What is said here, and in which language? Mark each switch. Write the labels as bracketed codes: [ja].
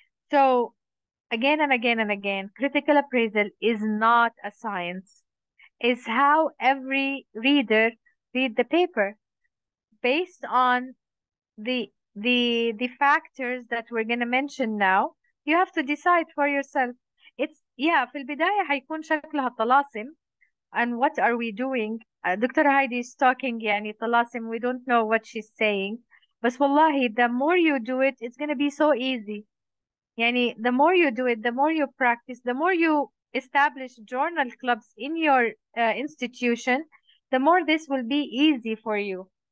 [en] So again and again and again, critical appraisal is not a science. Is how every reader read the paper based on the factors that we're going to mention now. You have to decide for yourself. It's [ar] Yeah, في البداية حيكون شكلها طلاسم. [en] And what are we doing? [ar] دكتورة هايدي [en] is talking [ar] يعني طلاسم. [en] We don't know what she's saying. [ar] بس والله [en] the more you do it, it's gonna be so easy. يعني the more you do it, the more you practice, the more you establish journal clubs in your institution, the more this will be easy for you.